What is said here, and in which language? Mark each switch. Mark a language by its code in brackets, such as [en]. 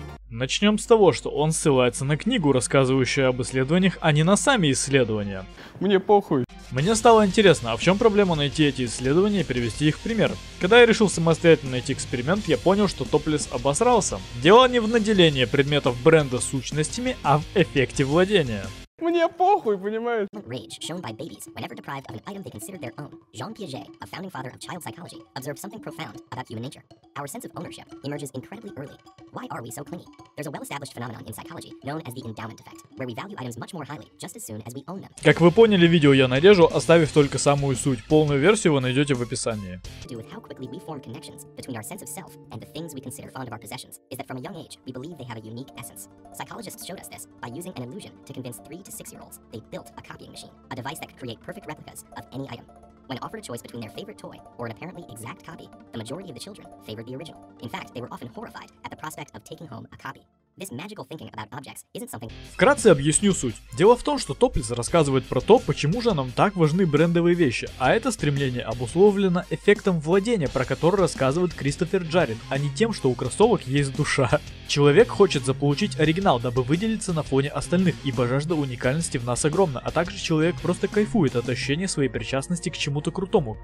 [ru] Начнем с того, что он ссылается на книгу, рассказывающую об исследованиях, а не на сами исследования. Мне похуй. Мне стало интересно, а в чем проблема найти эти исследования и перевести их в пример? Когда я решил самостоятельно найти эксперимент, я понял, что Топлес обосрался. Дело не в наделении предметов бренда сущностями, а в эффекте владения. Мне похуй, понимаешь? [en] Rage shown by babies whenever deprived of an item they consider their own. Jean Piaget, a founding father of child psychology, observed something profound about human nature. Our sense of ownership emerges incredibly early. Why are we so clingy? There's a well-established phenomenon in psychology known as the endowment effect, where we value items much more highly just as soon as we own them. [ru] Как вы поняли, видео я нарежу, оставив только самую суть. Полную версию вы найдете в описании. [en] To do with how quickly we form connections between our sense of self and the things we consider fond of our possessions is that from a young age we believe they have a unique essence. Psychologists showed us this by using an illusion to convince 3 to 6-year-olds they built a copying machine, a device that could create perfect replicas of any item. When offered a choice between their favorite toy or an apparently exact copy, the majority of the children favored the original. In fact, they were often horrified at the prospect of taking home a copy. This magical thinking about objects isn't something... Вкратце объясню суть. [ru] Дело в том, что Топлес рассказывает про то, почему же нам так важны брендовые вещи, а это стремление обусловлено эффектом владения, про который рассказывает Кристофер Джаред, а не тем, что у кроссовок есть душа. Человек хочет заполучить оригинал, дабы выделиться на фоне остальных, ибо жажда уникальности в нас огромна, а также человек просто кайфует от ощущения своей причастности к чему-то крутому.